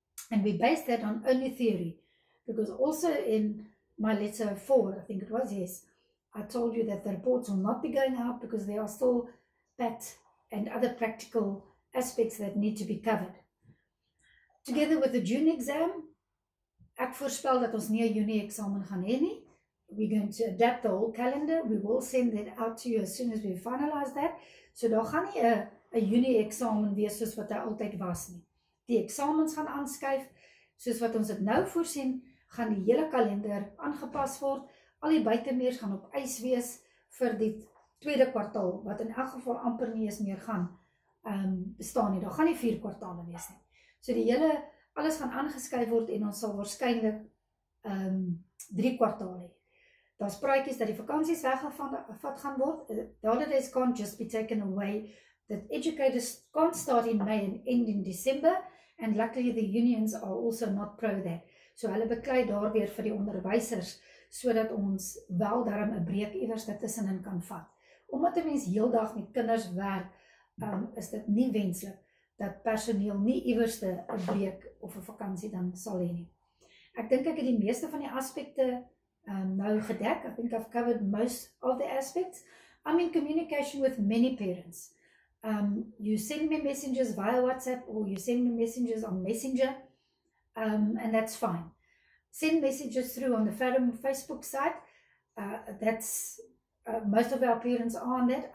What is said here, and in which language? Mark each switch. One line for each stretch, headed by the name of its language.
English: And we base that on only theory, because also in my letter 4, I think it was, yes, I told you that the reports will not be going out because there are still PAT and other practical aspects that need to be covered. Together with the June exam,
Afrikaans: ek voorspel dat ons nie 'n Junie eksamen gaan hê nie.
English: We're going to adapt the whole calendar. We will send that out to you as soon as we finalize that.
Afrikaans: So daar gaan nie 'n Junie eksamen wees soos wat hy altyd was nie. Die eksamens gaan aanskuif. Soos wat ons dit nou voorsien, gaan die hele kalender aangepas word. Al die buitemeers gaan op ys wees vir die tweede kwartaal, wat in elk geval amper nie eens meer gaan bestaan nie. Daar gaan nie vier kwartale wees nie. So die hele, alles gaan aangeskuif word en ons sal waarskynlik drie kwartale hê. Daar's praatjies dat die vakansies weggevat gaan word.
English: The holidays can't just be taken away. That educators can't start in May and end in December. And luckily the unions are also not pro that.
Afrikaans: So hulle beklei daar weer vir die onderwysers, sodat ons wel daarom 'n breek iewers tussenin kan vat. Omdat 'n mens heeldag met kinders werk, is dit nie wenslik dat personeel nie iewers 'n breek of 'n vakansie dan sal hê nie. Ek dink ek het die meeste van die aspekte nou gedek.
English: I think I've covered most of the aspects. I'm in communication with many parents. You send me messages via WhatsApp, or you send me messages on Messenger, and that's fine. Send messages through on the Forum Facebook site. Most of our parents are on that.